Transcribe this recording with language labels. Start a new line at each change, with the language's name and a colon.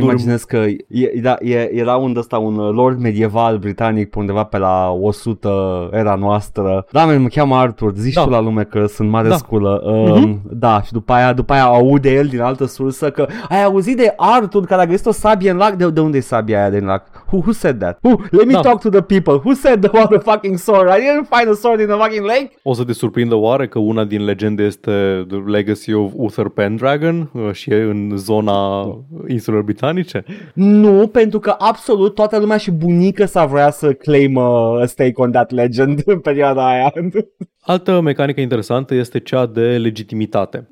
Romanian: Imaginez că era un ăsta, un lord medieval britanic undeva pe la 100 era noastră. Da, mă cheamă Arthur, zici tu la lume că sunt mare sculă. Da, și după aia aude el din altă sursă că ai auzit de Arthur care a găsit o sabie în lac? De unde e sabia aia din lac?
English: Who said that? Let me talk to the people. Who said about the fucking sword? I didn't find a sword in the fucking lake.
Romanian: O să te surprindă oare că una din legende este The Legacy of Uther Pendragon și e în zona insulelor britanice? Nu, pentru că absolut toată lumea și bunică s-a vrea să
English: claim a stake on that legend
Romanian: în perioada aia. Altă mecanică interesantă este cea de legitimitate.